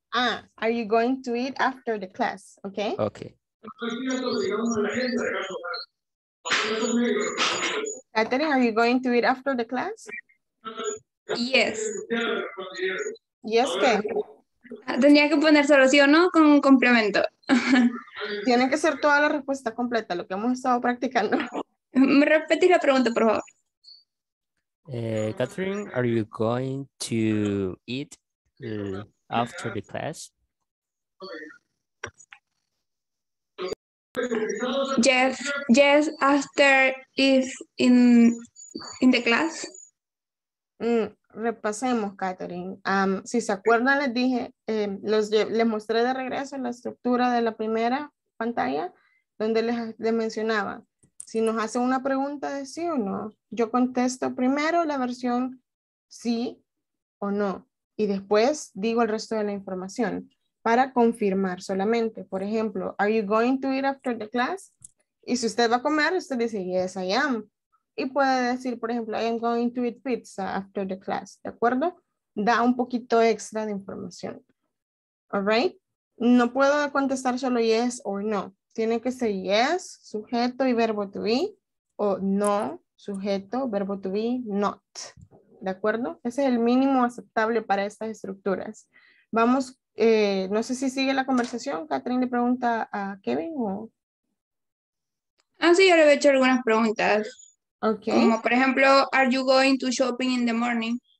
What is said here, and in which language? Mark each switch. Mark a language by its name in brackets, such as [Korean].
[English] Ah, are you going to eat after the class? Okay. Okay. Katherine, are you going to eat after the class? Yes. [Spanish] Yes, ¿qué? Tenía que poner solo sí o no con un complemento. Tiene que ser toda la respuesta completa, lo que hemos estado practicando. ¿Me repetís la pregunta, por favor? [English] Katherine, are you going to eat after the class? Yes, after if in the class. [Spanish] Repasemos, Catherine. Si se acuerdan, les dije, les mostré de regreso la estructura de la primera pantalla donde les mencionaba. Si nos hacen una pregunta de sí o no, yo contesto primero la versión sí o no y después digo el resto de la información para confirmar solamente. Por ejemplo, [English] are you going to eat after the class? [Spanish] Y si usted va a comer, usted dice [English] yes, I am. [Spanish] Y puede decir, por ejemplo, [English] I am going to eat pizza after the class. [Spanish] ¿De acuerdo? Da un poquito extra de información. [English] All right? [Spanish] No puedo contestar solo yes or no. Tiene que ser yes, sujeto y verbo to be. O no, sujeto, verbo to be, not. ¿De acuerdo? Ese es el mínimo aceptable para estas estructuras. Vamos, no sé si sigue la conversación. Catherine le pregunta a Kevin o... Ah, sí, yo le he hecho algunas preguntas. [English] Okay. [Spanish] Como por ejemplo, [English] are you going to shopping in the morning?